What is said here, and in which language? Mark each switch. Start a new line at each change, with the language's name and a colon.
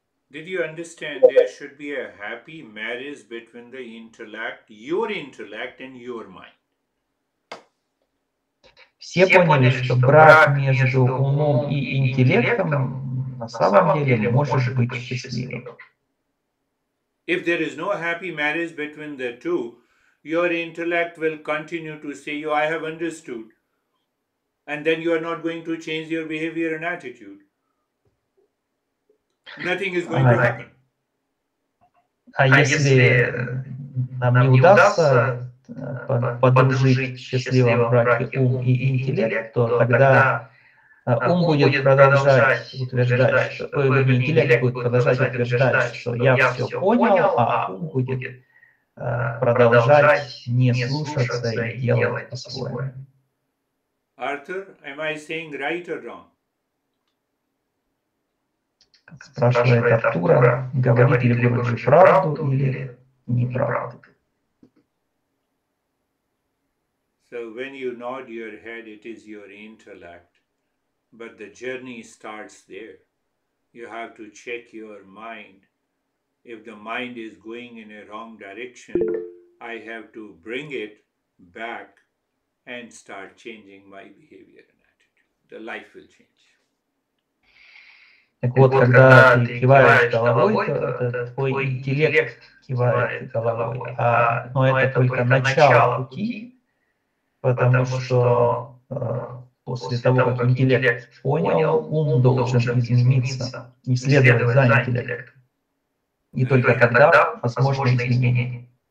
English: Did you understand there should be a happy marriage between the intellect and your mind?
Russian: Все поняли, что брак между умом и интеллектом на самом деле может быть счастливым.
English: If there is no happy marriage between the two, your intellect will continue to say, "I have understood." And then you are not going to change your behavior and attitude. Nothing is going to happen.
Russian: А если нам не удастся подружить счастливом браке ум и интеллект, то тогда ум будет продолжать утверждать, что интеллект будет продолжать утверждать, что я все понял, а ум будет продолжать не слушаться и делать по-своему.
English: Arthur, am I saying right or wrong?
Russian: Спрашивает Артура, говорит ли Гуруджи правду или неправду.
English: So when you nod your head, it is your intellect. But the journey starts there. You have to check your mind. If the mind is going in a wrong direction, I have to bring it back and start changing my behavior and attitude. The life will change.
Russian: Так вот, когда ты киваешь головой, то твой интеллект кивает головой. Но это только начало пути, потому что после того, как интеллект понял, ум должен измениться, не следовать за интеллектом. И только тогда возможно изменение.